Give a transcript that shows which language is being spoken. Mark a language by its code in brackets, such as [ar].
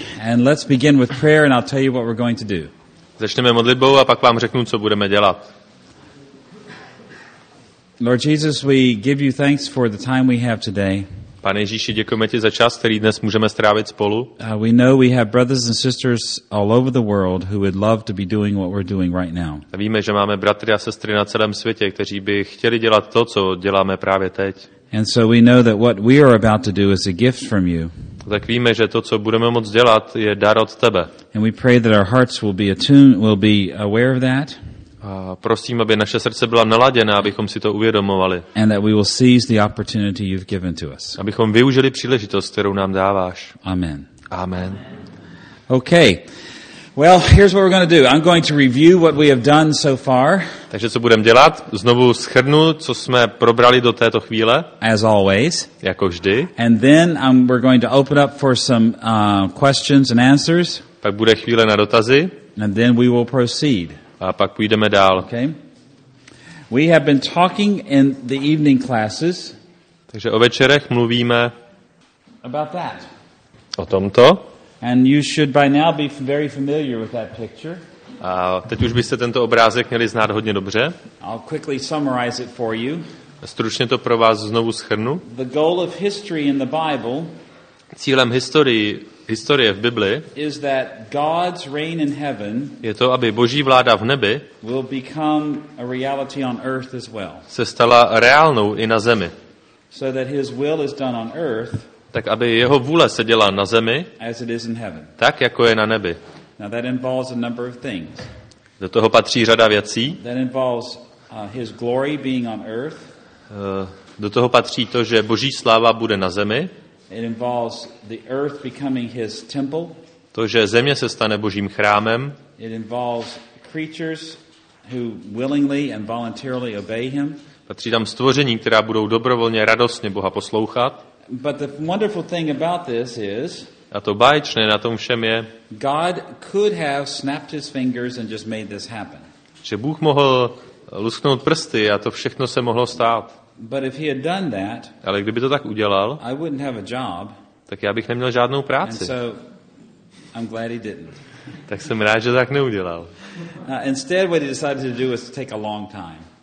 [en] And let's begin with prayer and I'll tell you what we're going to do. [cs] Začneme modlitbou a pak vám řeknu, co budeme dělat. [en] Lord Jesus, we give you thanks for the time we have today. [cs] Pane Ježíši, děkujeme ti za čas, který dnes můžeme strávit spolu. [en] We know we have brothers and sisters all over the world who would love to be doing what we're doing right now. [cs] Víme, že máme bratry a sestry na celém světě, kteří by chtěli dělat to, co děláme právě teď. [en] And so we know that what we are about to do is a gift from you. [cs] Tak víme, že to, co budeme moc dělat, je dar od tebe. [en] And we pray that our hearts will be attuned, will be aware of that. [cs] A prosím, aby naše srdce byla naladěna, abychom si to uvědomovali. [en] And that we will seize the opportunity you've given to us. [cs] Abychom využili příležitost, kterou nám dáváš. [en] Amen. [cs] Amen. [en] Okay. Well, here's what we're going to do. I'm going to review what we have done so far. [cs] Takže co budeme dělat? Znovu shrnu, co jsme probrali do této chvíle. [en] As always. [cs] Jako vždy. [en] And then we're going to open up for some questions and answers. [cs] Pak bude chvíle na dotazy. [en] And then we will proceed. [cs] A pak půjdeme dál. [en] Okay. We have been talking in the evening classes. [cs] Takže o večerech mluvíme. [en] About that. [cs] O tomto. [en] And you should by now be very familiar with that picture. [cs] A teď už byste tento obrázek měli znát hodně dobře. [en] I'll quickly summarize it for you. [cs] Stručně to pro vás znovu shrnu. [en] The goal of history in the Bible. [cs] Cílem historie v Bibli [en] is that God's reign in heaven. [cs] Je to, aby Boží vláda v nebi [en] will become a reality on earth as well. [cs] Se stala reálnou i na zemi. [en] So that his will is done on earth. [cs] Tak aby jeho vůle se dělá na zemi, [en] as it is in heaven. [cs] Tak jako je na nebi. [en] Now that involves a number of things. [cs] Do toho patří řada věcí. [en] That involves his glory being on earth. [cs] Do toho patří to, že Boží sláva bude na zemi. [en] It involves the earth becoming his temple. [cs] To, že země se stane Božím chrámem. [en] It involves creatures who willingly and voluntarily obey him. [cs] Patří tam stvoření, která budou dobrovolně radostně Boha poslouchat. [en] But the wonderful thing about this is, [cs] a to báječné na tom všem je, [en] God could have snapped his fingers and just made this happen. [cs] Že Bůh mohl lusknout prsty a to všechno se mohlo stát. [en] But if he had done that, [cs] ale kdyby to tak udělal, [en] I wouldn't have a job. [cs] Tak já bych neměl žádnou práci. [en] And so I'm glad he didn't. [cs] Tak jsem rád, že tak neudělal. [en] Instead what he decided to do was to take a long time.